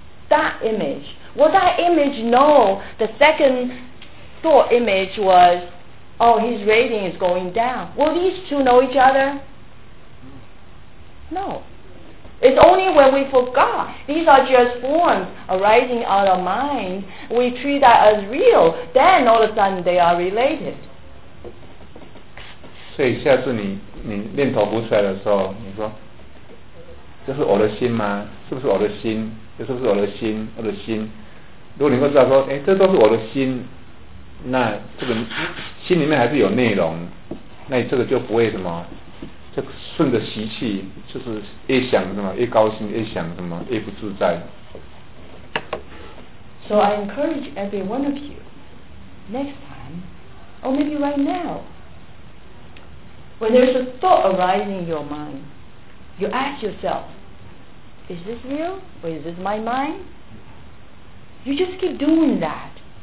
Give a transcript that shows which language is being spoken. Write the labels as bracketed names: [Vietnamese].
[English] That image, will that image know the second thought image was, oh, his rating is going down? Will these two know each other? No. It's only when we forgot these are just forms arising out of mind, we treat that as real, then all of a sudden they are related. [Chinese] 所以下次你念头浮出来的时候，你说这是我的心吗？是不是我的心？这是不是我的心？我的心，如果你会知道说，哎，这都是我的心，那这个心里面还是有内容，那你这个就不会什么，就顺着习气，就是越想什么越高兴，越想什么越不自在。 [English] So I encourage every one of you, next time, or maybe right now, when there's a thought arising in your mind, you ask yourself, is this real? Or is this my mind? You just keep doing that.